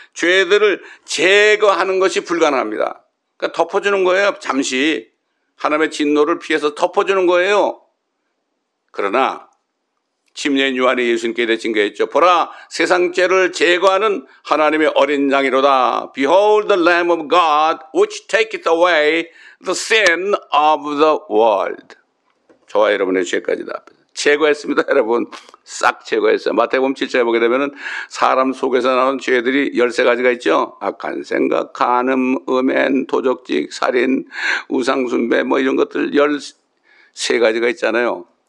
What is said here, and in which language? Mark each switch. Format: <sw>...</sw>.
<ko>죄들을 제거하는 것이 불가능합니다. 그러니까 덮어주는 거예요. 잠시 하나님의 진노를 피해서 덮어주는 거예요. 그러나 침례인 요한이 예수님께 대징계했죠. 보라, 세상 죄를 제거하는 하나님의 어린 양이로다.</ko> <en>Behold the Lamb of God which taketh away the sin of the world.</en> <ko>저와 여러분의 죄까지다. 제거했습니다. 여러분. 싹 제거했어요. 마태복음 7장에 보게 되면 사람 속에서 나온 죄들이 13가지가 있죠. 악한 생각, 간음, 음행, 도적질, 살인, 우상숭배 뭐 이런 것들 13가지가 있잖아요.</ko>